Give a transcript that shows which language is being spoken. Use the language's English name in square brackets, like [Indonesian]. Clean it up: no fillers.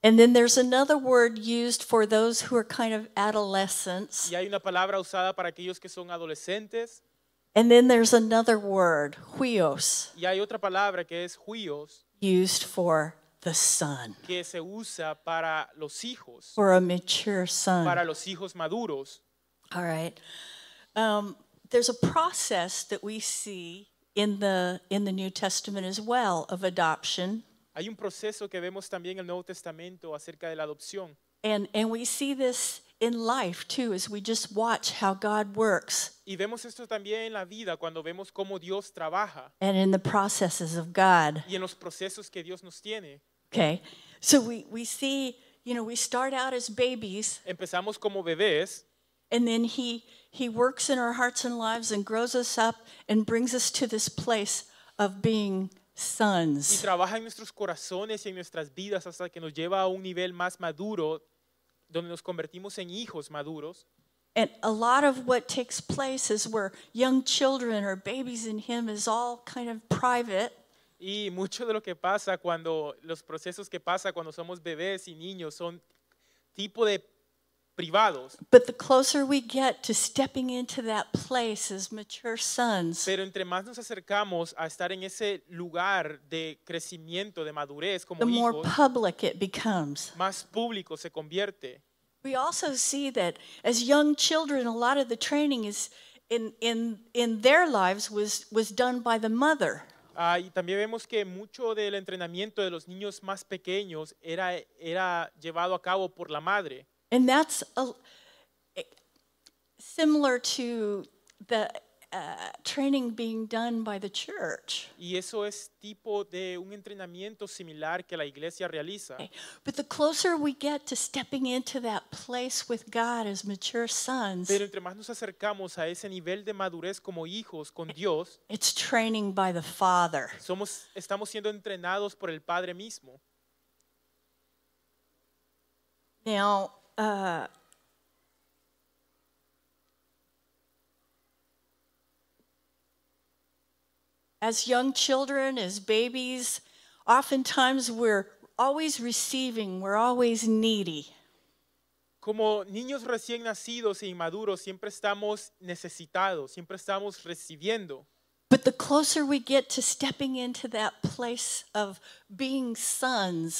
[English] And then there's another word used for those who are kind of adolescents. [Spanish] Y hay una palabra usada para aquellos que son adolescentes. [English] And then there's another word, huios. [Spanish] Y hay otra palabra que es huios. [English] Used for the son. [Spanish] Que se usa para los hijos. [English] For a mature son. [Spanish] Para los hijos maduros. [English] All right. There's a process that we see in the New Testament as well of adoption. [Spanish] Hay un proceso que vemos también en el Nuevo Testamento acerca de la adopción. [English] And we see this in life too as we just watch how God works. [Spanish] Y vemos esto también en la vida cuando vemos cómo Dios trabaja. [English] And in the processes of God. [Spanish] Y en los procesos que Dios nos tiene. [English] Okay. So we see, you know, we start out as babies. [Spanish] Empezamos como bebés. [English] And then he works in our hearts and lives and grows us up and brings us to this place of being sons. [Spanish] Y trabaja en nuestros corazones y en nuestras vidas hasta que nos lleva a un nivel más maduro donde nos convertimos en hijos maduros. [English] And a lot of what takes place is where young children or babies in him is all kind of private. [Spanish] Y mucho de lo que pasa cuando los procesos que pasa cuando somos bebés y niños son tipo de privados. [English] But the closer we get to stepping into that place as mature sons, [Spanish] pero entre más nos acercamos a estar en ese lugar de crecimiento, de madurez como [English] the [Spanish] hijos, [English] more public it becomes. [Spanish] Más público se convierte. [English] We also see that as young children, a lot of the training is in their lives was done by the mother. [Spanish] Y también vemos que mucho del entrenamiento de los niños más pequeños era llevado a cabo por la madre. [English] And that's similar to the training being done by the church. [Spanish] Y eso es tipo de un entrenamiento similar que la iglesia realiza. [English] Okay. But the closer we get to stepping into that place with God as mature sons, [Spanish] pero entre más nos acercamos a ese nivel de madurez como hijos con Dios, [English] it's training by the Father. [Spanish] Estamos siendo entrenados por el Padre mismo. [English] Now, As young children, as babies, oftentimes we're always receiving, we're always needy. [Spanish] Como niños recién nacidos e inmaduros, siempre estamos necesitados, siempre estamos recibiendo. [English] But the closer we get to stepping into that place of being sons,